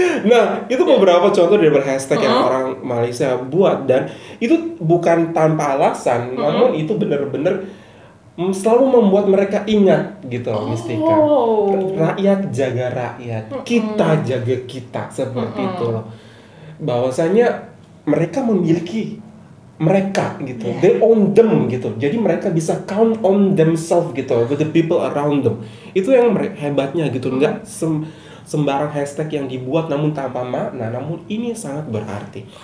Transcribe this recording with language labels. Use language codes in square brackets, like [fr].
[id] Nah, itu beberapa contoh dari berhashtag yang orang Malaysia buat dan itu bukan tanpa alasan, namun itu benar-benar selalu membuat mereka ingat gitu loh, Mistika. Rakyat jaga rakyat, kita jaga kita, seperti itu loh. Bahwasanya mereka memiliki mereka gitu. [en] They own them [id] gitu. Jadi mereka bisa [en] count on themselves gitu with the people around them. [id] Itu yang hebatnya gitu. Enggak sembarang hashtag yang dibuat namun tanpa makna, namun ini sangat berarti.